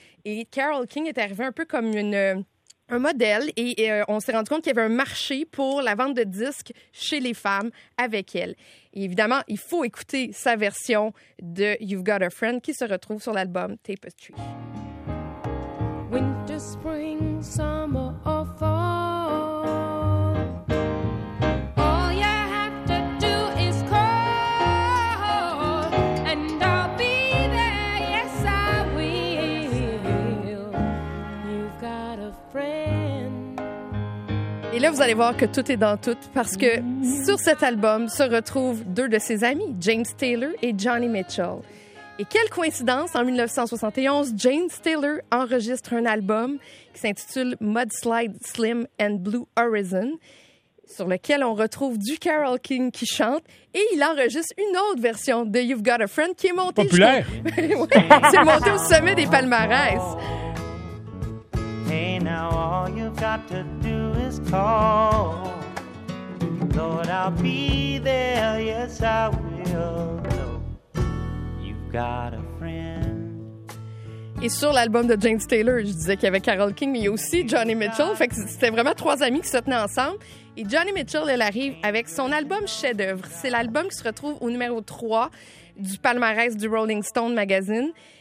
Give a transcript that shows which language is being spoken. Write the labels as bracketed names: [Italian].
[French] Et Carole King est arrivée un peu comme un modèle. Et on s'est rendu compte qu'il y avait un marché pour la vente de disques chez les femmes avec elle. Et évidemment, il faut écouter sa version de You've Got a Friend qui se retrouve sur l'album Tapestry. [English] Winter, spring, summer or fall, all you have to do is call, and I'll be there, yes I will, you've got a friend. [French] Et là, vous allez voir que tout est dans tout, parce que sur cet album se retrouvent deux de ses amis, James Taylor et Johnny Mitchell. Et quelle coïncidence, en 1971, James Taylor enregistre un album qui s'intitule Mudslide Slim and Blue Horizon, sur lequel on retrouve du Carole King qui chante, et il enregistre une autre version de You've Got a Friend qui est montée... Populaire! C'est monté au sommet des palmarès. [English] Hey, now all you've got to do is call. Lord, I'll be there, yes I will. Got a friend. [French] Et sur l'album de James Taylor, je disais qu'il y avait Carole King, mais il y a aussi Johnny Mitchell. Fait que c'était vraiment trois amis qui se tenaient ensemble. Et Johnny Mitchell, elle arrive avec son album chef-d'œuvre. C'est l'album qui se retrouve au numéro 3 du palmarès du Rolling Stone magazine.